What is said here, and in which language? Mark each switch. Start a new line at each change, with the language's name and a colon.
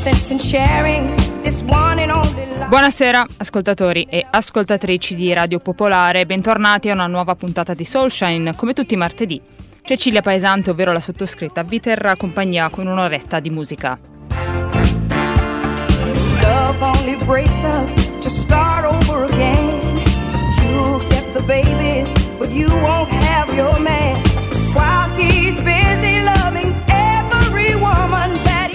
English: and sharing this one and only.
Italian: Buonasera ascoltatori e ascoltatrici di Radio Popolare, bentornati a una nuova puntata di Soulshine, come tutti i martedì. Cecilia Paesante, ovvero la sottoscritta, vi terrà compagnia con un'oretta di musica.
English: Love only breaks up to start over again. You'll get the babies, but you won't have your man. While he's busy loving every woman that he...